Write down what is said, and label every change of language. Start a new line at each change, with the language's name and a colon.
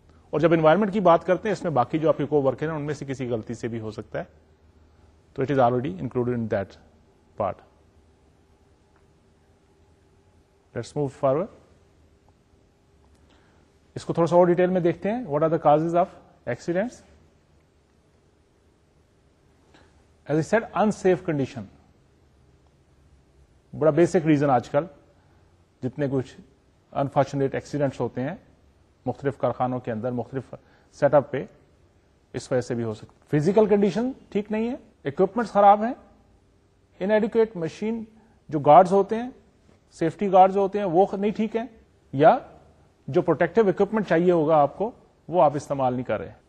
Urdu: اور جب انوائرمنٹ کی بات کرتے ہیں, اس میں باقی جو آپ کے کو ورکر ہیں ان میں سے کسی غلطی سے بھی ہو سکتا ہے, تو
English: It is already included in that part. Let's move forward,
Urdu: اس کو تھوڑا سا اور ڈیٹیل میں دیکھتے ہیں.
English: What are the causes of accidents? As I said, unsafe condition بڑا basic reason.
Urdu: آج کل جتنے کچھ انفارچونیٹ ایکسیڈنٹس ہوتے ہیں مختلف کارخانوں کے اندر, مختلف سیٹ اپ پہ, اس وجہ سے بھی ہو سکتا. فزیکل کنڈیشن ٹھیک نہیں ہے, اکوپمنٹس خراب ہیں, انایڈیکویٹ مشین, جو گارڈز ہوتے ہیں, سیفٹی گارڈز ہوتے ہیں, وہ نہیں ٹھیک ہیں, یا جو پروٹیکٹیو اکوپمنٹ چاہیے ہوگا آپ کو, وہ آپ استعمال نہیں کر رہے ہیں.